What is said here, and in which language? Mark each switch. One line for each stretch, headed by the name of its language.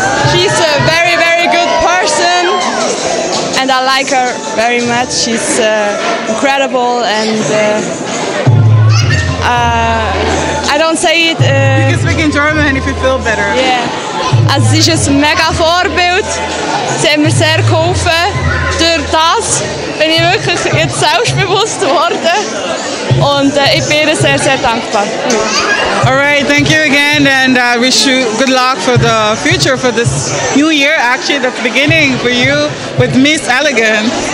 English: She's a very, very good person. And I like her very much. She's incredible, and I don't say it. You can speak in German if you feel better.
German: Yeah, also, sie ist ein mega Vorbild. Sie hat mir sehr geholfen. Durch das bin ich wirklich jetzt selbstbewusst geworden, und ich bin ihr sehr, sehr dankbar.
English: All right, thank you again, and I wish you good luck for the future, for this new year, actually, that's beginning for you with Miss Elegant.